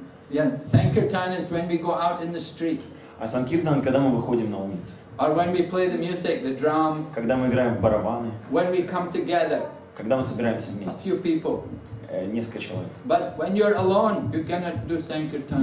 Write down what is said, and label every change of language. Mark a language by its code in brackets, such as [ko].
[en] Yeah, Sankirtan is when we go out in the street. [ru] А Sankirtan, когда мы выходим на улицы. [en] Or when we play the music, the drum. [ru] Когда мы играем в барабаны. [en] When we come together. [ru] Когда мы собираемся вместе. [en] A few people. [ru] Несколько человек. [en] But when you're alone, you cannot do Sankirtan.